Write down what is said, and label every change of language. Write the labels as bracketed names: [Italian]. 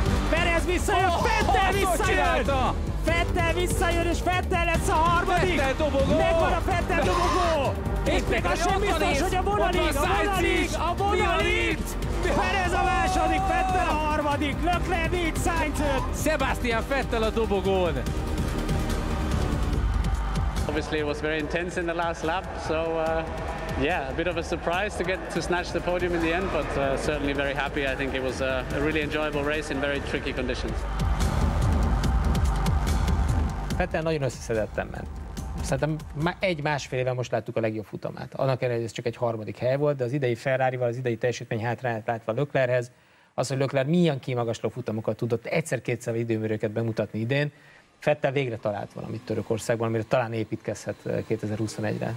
[Hungarian] Perez visszajön, Vettel visszajön! Vettel visszajön, és Vettel lesz a harmadik! Vettel dobogó! Megvan a Vettel dobogó! És még az sem biztos, hogy a vonalit, a vonalit! Perez a második, Vettel a harmadik, Leclerc négy, Sainz öt! Sebastian Vettel a dobogón! [English] Obviously it was very intense in the last lap, so yeah, a bit of a surprise to get to snatch the podium in the end, but certainly very happy. I think it was a really enjoyable race in very tricky conditions. [Hungarian] Vettel nagyon összeszedetten ment. Szerintem már egy-másfél éve most láttuk a legjobb futamát. Annak ellenére, hogy ez csak egy harmadik hely volt, de az idei Ferrarival, az idei teljesítmény hátrányát látva Leclerchez, az, hogy Leclerc milyen kimagasló futamokat tudott egyszer-kétszer időmérőket bemutatni idén, Vettel végre talált valamit Törökországban, amire talán építkezhet 2021-re.